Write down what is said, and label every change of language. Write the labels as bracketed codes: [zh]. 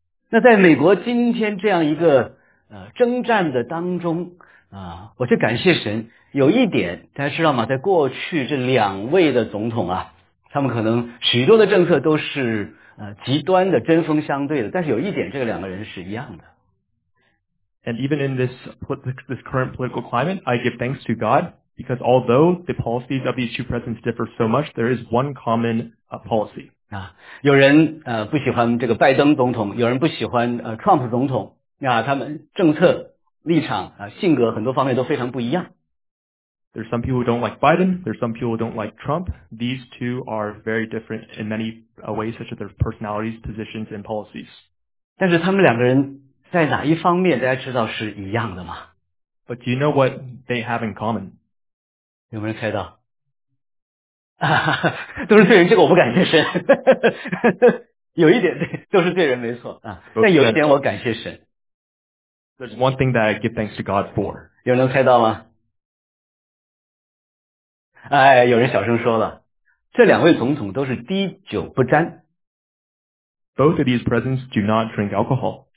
[zh] 那在美国今天这样一个征战的当中啊，我就感谢神。有一点大家知道吗？在过去这两位的总统啊，他们可能许多的政策都是极端的、针锋相对的。但是有一点，这个两个人是一样的。 [en] And even in this current political climate, I give thanks to God because although the policies of these two presidents differ so much, there is one common policy. [zh] 啊，有人不喜欢这个拜登总统，有人不喜欢Trump 总统。啊，他们政策立场啊，性格很多方面都非常不一样。 [en] There's some people who don't like Biden. There's some people who don't like Trump. These two are very different in many ways, such as their personalities, positions, and policies. [zh] 但是他们两个人在哪一方面，大家知道是一样的吗？ [en] But do you know what they have in common? [zh] 有没有人猜到？都是罪人，这个我不敢确认。有一点对，都是罪人没错啊。但有一点我感谢神。 [en] There's one thing that I give thanks to God for. [zh] 有人能猜到吗？哎，有人小声说了，这两位总统都是滴酒不沾。 [en] Both of these presidents do not drink alcohol.